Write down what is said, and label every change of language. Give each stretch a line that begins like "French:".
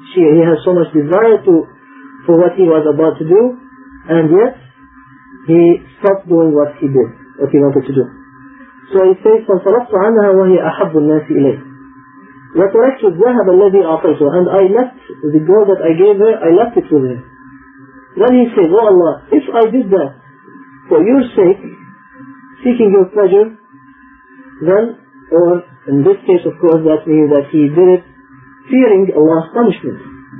English: He has so much desire for what he was about to do, and yet he stopped doing what he did, what he wanted to do. So he says,
Arabic: فَانْصَرَفْتُ عَنْهَا وَهِيَ أَحَبُّ النَّاسِ إِلَيْهِ وَتَرَكْتُ الذَّهَبَ الَّذِي أَعْطَيْتُهُ.
English: And I left the girl that I gave her, I left it with her. Then he says, oh Allah, if I did that for your sake, seeking your pleasure, then, or in this case of course, that means that he did it fearing Allah's punishment.